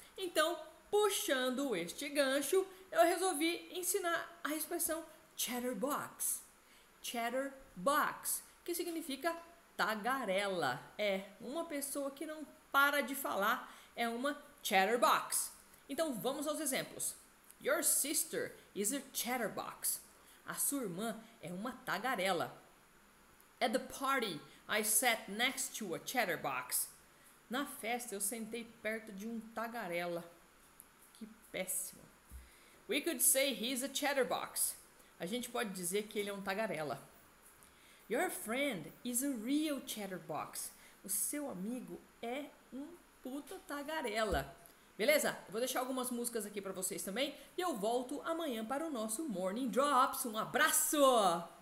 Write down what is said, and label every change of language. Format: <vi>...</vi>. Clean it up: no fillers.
<pt>Então, puxando este gancho, eu resolvi ensinar a expressão chatterbox. Chatterbox, que significa tagarela. É, uma pessoa que não para de falar é uma chatterbox. Então, vamos aos exemplos.</pt> <en>Your sister is a chatterbox.</en> <pt>A sua irmã é uma tagarela.</pt> <en>At the party, I sat next to a chatterbox.</en> <pt>Na festa, eu sentei perto de um tagarela. Que péssimo.</pt> <en>We could say he's a chatterbox.</en> <pt>A gente pode dizer que ele é um tagarela.</pt> <en>Your friend is a real chatterbox.</en> <pt>O seu amigo é um puta tagarela. Beleza? Vou deixar algumas músicas aqui para vocês também e eu volto amanhã para o nosso Morning Drops. Um abraço!</pt>